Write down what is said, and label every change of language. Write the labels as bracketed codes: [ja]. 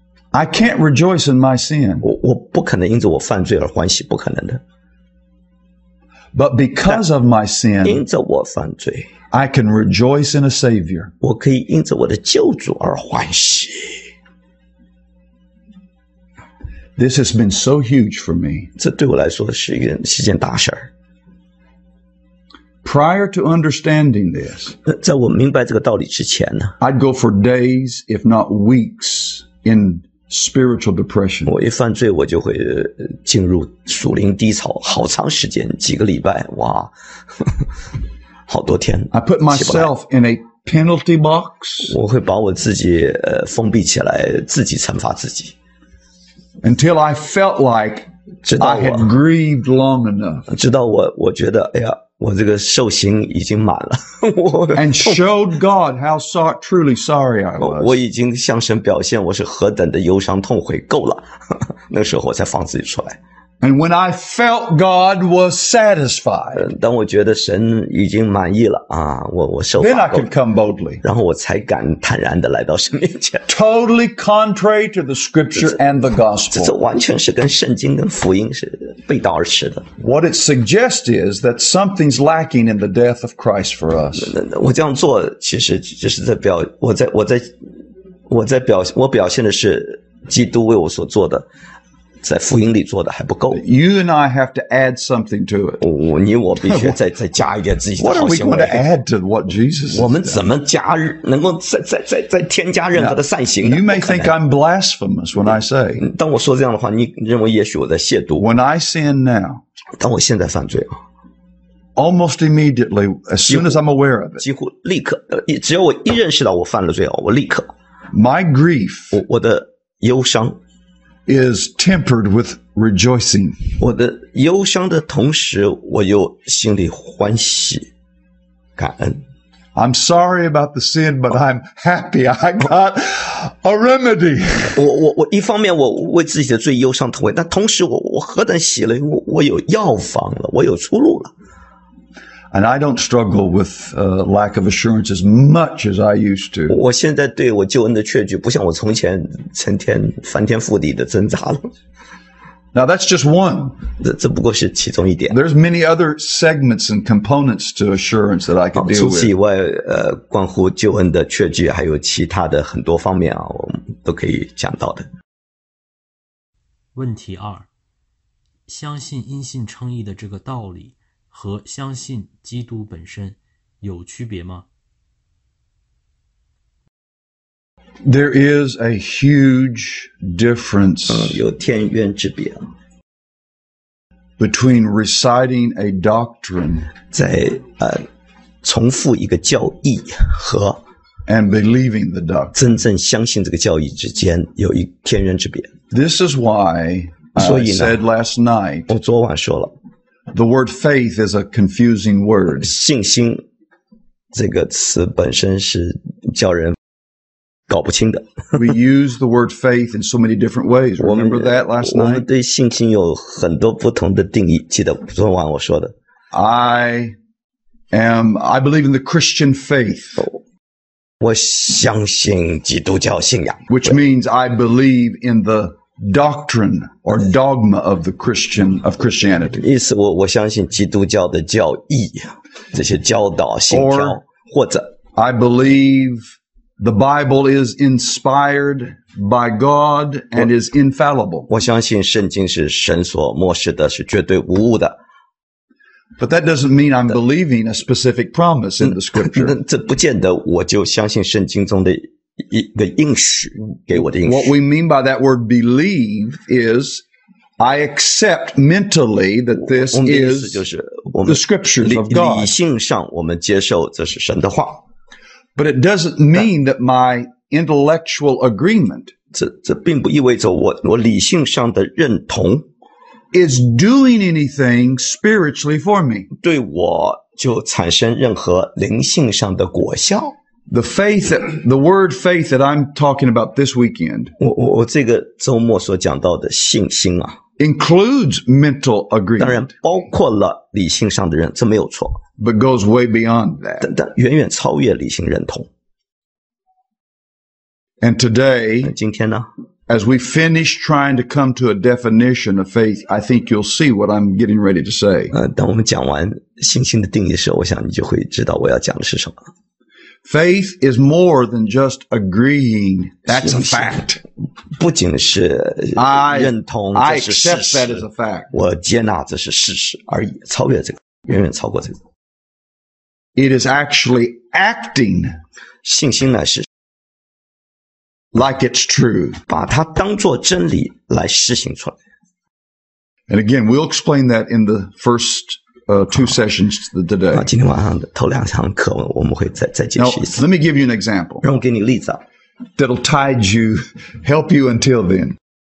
[en] I can't rejoice in my sin. [zh] 我不可能因着我犯罪而欢喜，不可能的。 [en] But because of my sin, [zh] 因着我犯罪。 [en] I can rejoice in a Savior. [zh] 我可以因着我的救主而欢喜。 [en] This has been so huge for me. [zh] 这对我来说是一件大事。 [en] Prior to understanding this, [zh] 在我明白这个道理之前呢, [en] I'd go for days, if not weeks, in spiritual depression. [zh] 我一犯罪，我就会进入属灵低潮，好长时间，几个礼拜，哇。好多天 [en] I put myself in a penalty box. [zh] 我会把我自己封闭起来，自己惩罚自己。 [en] Until I felt like I had grieved long enough. [zh] 直到我觉得，哎呀，我这个受刑已经满了。 [en] And showed God how truly sorry I was. [zh] 我已经向神表现我是何等的忧伤痛悔，够了。那时候我才放自己出来。 [en] And when I felt God was satisfied, [zh] 当我觉得神已经满意了啊，我受法够了。 [en] Then I could come boldly. [zh] 然后我才敢坦然地来到神面前。 [en] Totally contrary to the scripture and the gospel. [zh] 这完全是跟圣经跟福音是背道而驰的。 [en] What it suggests is that something's lacking in the death of Christ for us. [zh] 我这样做其实就是在表我在表我表现的是基督为我所做的。在福音里做的还不够。 [en] You and I have to add something to it. [zh] 你我必须再加一点自己的好行为。 [en] What are we going to add to what Jesus [zh] is? 我们怎么加能够再添加任何的善行 [en] ？You may think I'm blasphemous when I say. [zh] 当我说这样的话，你认为也许我在亵渎。 [en] When I sin now. [zh] 当我现在犯罪啊。 [en] Almost immediately, as soon as I'm aware of it. [zh] 几乎立刻，只要我一认识到我犯了罪啊，我立刻。 [en] My grief. [zh] 我的忧伤 [en] is tempered with rejoicing. [zh] 我的忧伤的同时，我又心里欢喜，感恩。 [en] I'm sorry about the sin, but I'm happy I got a remedy. [zh] 我一方面我为自己的罪忧伤痛悔，但同时我何等喜乐，我有药方了，我有出路了。 [en] And I don't struggle with lack of assurance as much as I used to. [zh] 我现在对我救恩的确据，不像我从前成天翻天覆地的挣扎了。 [en] Now that's just one. [zh] 这不过是其中一点。 [en] There's many other segments and components to assurance that I can deal with. [zh] 除此以外，关乎救恩的确据，还有其他的很多方面啊，我们都可以讲到的。问题二：相信因信称义的这个道理和相信基督本身有区别吗？ [en] There is a huge difference. [zh] 有天渊之别。 [en] Between reciting a doctrine [zh] 在重复一个教义和 [en] and believing the doctrine [zh] 真正相信这个教义之间有一天渊之别。 [en] This is why I said last night [zh] 我昨晚说了 [en] the word faith is a confusing word [zh] 信心这个词本身是叫人搞不清的。 [en] We use the word faith in so many different ways. Remember that last night? [zh] 我们对信心有很多不同的定义，记得昨晚我说的。 [en] I believe in the Christian faith. [zh] 我相信基督教信仰。 [en] Which means I believe in the doctrine or dogma of the Christian, of Christianity. [zh] 意思我相信基督教的教义，这些教导、信条，或者。 [en] I believe the Bible is inspired by God and is infallible. [zh] 我相信圣经是神所默示的，是绝对无误的。 [en] But that doesn't mean I'm believing a specific promise in the scripture. [zh] 这不见得我就相信圣经中的一个应许，给我的应许。 [en] What we mean by that word believe is I accept mentally that this is the scriptures of God. [zh] 理性上我们接受这是神的话。 [en] But it doesn't mean that my intellectual agreement [zh] 这并不意味着我理性上的认同 [en] is doing anything spiritually for me. [zh] 对我就产生任何灵性上的果效。 [en] The word faith that I'm talking about this weekend [zh] 我这个周末所讲到的信心啊 [en] includes mental agreement. [zh] 当然包括了理性上的认同，这没有错。 [en] But goes way beyond that. [zh] 但远远超越理性认同。 [en] And today, [zh] 今天呢 [en] as we finish trying to come to a definition of faith, I think you'll see what I'm getting ready to say. [zh] 当我们讲完信心的定义的时候，我想你就会知道我要讲的是什么。 [en] Faith is more than just agreeing. That's a fact. [zh] 不仅是认同，这是事实。 [en] I accept that as a fact. [zh] 我接纳这是事实而已，超越这个，远远超过这个。 [en] It is actually acting [zh] 信心呢是 [en] like it's true [zh] 把它当作真理来实行出来。 [en] And again, we'll explain that in the first two sessions today. [zh] 今天晚上的头两堂课我们会再解释一次。 [en] Now, let me give you an example. [zh] 让我给你例子啊。 [en] That'll tide you, help you until then.